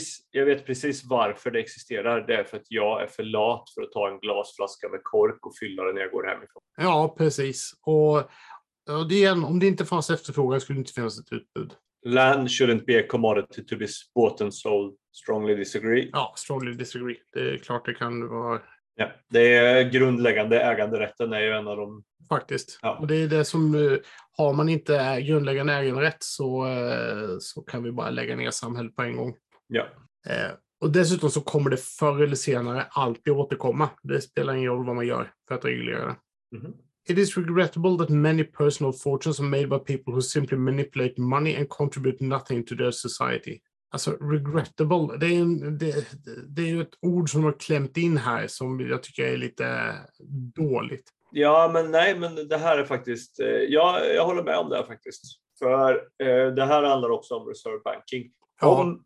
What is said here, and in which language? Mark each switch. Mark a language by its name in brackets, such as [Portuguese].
[Swedish] Jag vet precis varför det existerar. Det är för att jag är för lat för att ta en glasflaska med kork och fylla den när jag går hemifrån. Ja, precis. Och det igen, om det inte fanns efterfrågan skulle det inte finnas ett utbud. [English] Land shouldn't be a commodity to be bought and sold Strongly disagree. Ja, strongly disagree. [Swedish] Det är klart det kan vara... Ja, det är grundläggande äganderätten är ju en av de... Faktiskt. Ja. Och det är det som nu... Har man inte grundläggande äganderätt så kan vi bara lägga ner samhället på en gång. Ja. Och dessutom så kommer det förr eller senare alltid återkomma. Det spelar ingen roll vad man gör för att reglera det. Mm-hmm. [English] It is regrettable that many personal fortunes are made by people who simply manipulate money and contribute nothing to their society. [Swedish] Alltså, regrettable, det är ju ett ord som har klämt in här som jag tycker är lite dåligt. Ja, men nej, men det här är faktiskt, jag håller med om det här faktiskt. För det här handlar också om reserve banking. Ja.